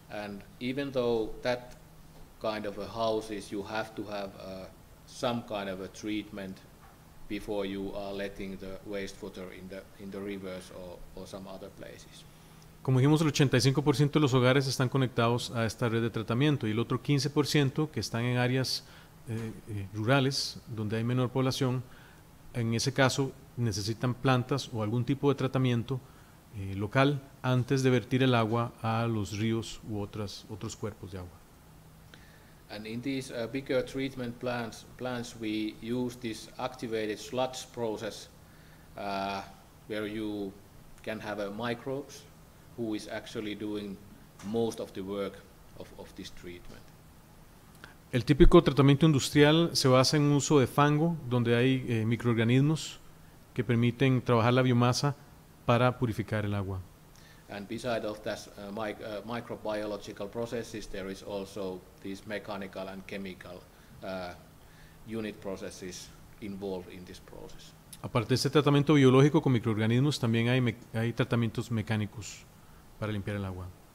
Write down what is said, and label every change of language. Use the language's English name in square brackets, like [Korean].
[English] And even though that kind of a houses, you have to have some kind of a treatment before you are letting the wastewater in the rivers or some other places. [Spanish] Como dijimos, el 85% de los hogares están conectados a esta red de tratamiento, y el otro 15% que están en áreas rurales donde hay menor población, en ese caso necesitan plantas o algún tipo de tratamiento local antes de vertir el agua a los ríos u otros cuerpos de agua. [English] And in these bigger treatment plants, we use this activated sludge process where you can have microbes who is actually doing most of the work of this treatment. [Spanish] El típico tratamiento industrial se basa en un uso de fango, donde hay microorganismos que permiten trabajar la biomasa para purificar el agua. [English] And beside of that microbiological processes, there is also these mechanical and chemical unit processes involved in this process. [Spanish] Aparte de este tratamiento biológico con microorganismos, también hay tratamientos mecánicos para limpiar el agua.